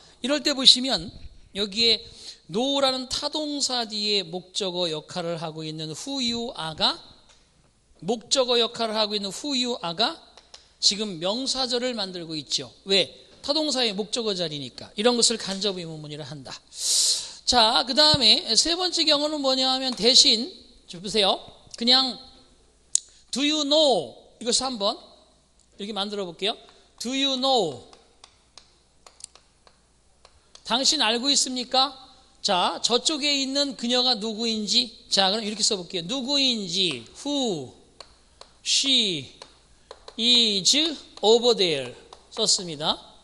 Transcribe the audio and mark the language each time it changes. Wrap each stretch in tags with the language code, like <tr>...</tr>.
<ko>이럴 때 보시면 여기에 know라는 타동사 뒤에 목적어 역할을 하고 있는</ko> <en>who you are</en> <ko>가 목적어 역할을 하고 있는 who you are가 지금 명사절을 만들고 있죠. 왜? 타동사의 목적어 자리니까. 이런 것을 간접 의문문이라 한다. 자, 그 다음에 세 번째 경우는 뭐냐 하면 대신 좀 보세요.</ko> <en>그냥 Do you know?</en> <ko>이것을 한번 이렇게 만들어 볼게요.</ko> <en>Do you know?</en> <ko>당신 알고 있습니까? 자, 저쪽에 있는 그녀가 누구인지. 자, 그럼 이렇게 써볼게요. 누구인지.</ko> <en>Who she is over there.</en> <ko>썼습니다.</ko>